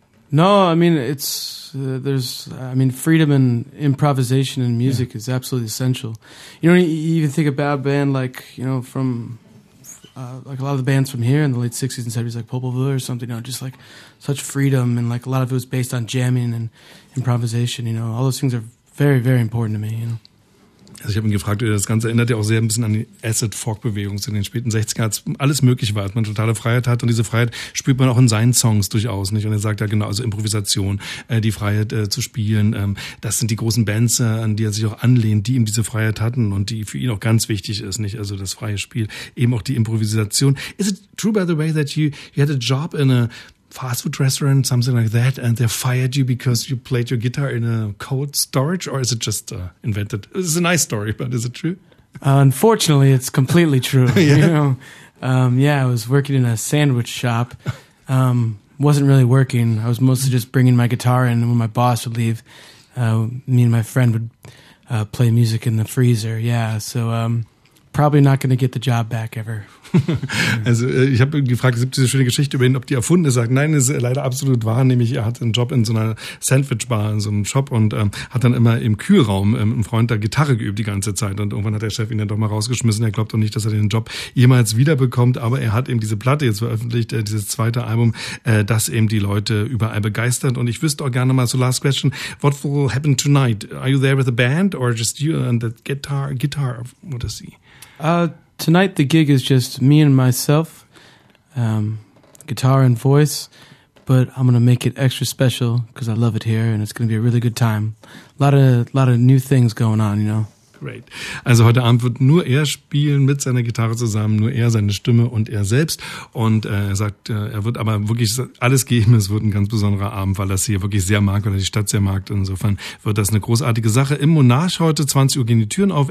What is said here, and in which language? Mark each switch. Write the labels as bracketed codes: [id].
[en] No, I mean, it's, there's, I mean, freedom and improvisation in music is absolutely essential. You know, you even think about a band like, you know, from, like a lot of the bands from here in the late 60s and 70s, like Popovilla or something, you know, just like such freedom and like a lot of it was based on jamming and improvisation, you know, all those things are very, very important to me, you know. [de] Also ich habe ihn gefragt, das Ganze erinnert ja auch sehr ein bisschen an die Acid-Folk-Bewegung in den späten 60ern, als alles möglich war, als man totale Freiheit hat. Und diese Freiheit spürt man auch in seinen Songs durchaus, nicht? Und er sagt ja genau, also Improvisation, die Freiheit zu spielen, das sind die großen Bands, an die er sich auch anlehnt, die ihm diese Freiheit hatten und die für ihn auch ganz wichtig ist, nicht? Also das freie Spiel, eben auch die Improvisation. [en] Is it true, by the way, that you had a job in a fast food restaurant, something like that, and they fired you because you played your guitar in a cold storage, or is it just invented? It's a nice story, but is it true? Unfortunately, it's completely true. Yeah. You know, yeah, I was working in a sandwich shop. Wasn't really working. I was mostly just bringing my guitar in, and when my boss would leave, me and my friend would play music in the freezer. Yeah, so... probably not going to get the job back ever. [de] Also ich habe gefragt, es gibt diese schöne Geschichte über ihn, ob die erfunden ist. Er sagt, nein, ist leider absolut wahr. Nämlich er hatte einen Job in so einer Sandwich-Bar, in so einem Shop und hat dann immer im Kühlraum mit einem Freund da Gitarre geübt die ganze Zeit. Und irgendwann hat der Chef ihn dann doch mal rausgeschmissen. Er glaubt doch nicht, dass er den Job jemals wiederbekommt. Aber er hat eben diese Platte jetzt veröffentlicht, dieses zweite Album, das eben die Leute überall begeistert. Und ich wüsste auch gerne mal, [en] so last question, what will happen tonight? Are you there with the band or just you and the guitar? What is he? Tonight the gig is just me and myself, guitar and voice, but I'm going to make it extra special because I love it here and it's going to be a really good time. A lot of new things going on, you know. Great. [de] Also heute Abend wird nur er spielen mit seiner Gitarre zusammen, nur er, seine Stimme und er selbst. Und er sagt, er wird aber wirklich alles geben. Es wird ein ganz besonderer Abend, weil er es hier wirklich sehr mag, weil er die Stadt sehr mag. Insofern wird das eine großartige Sache. Im Monarch heute, 20 Uhr gehen die Türen auf.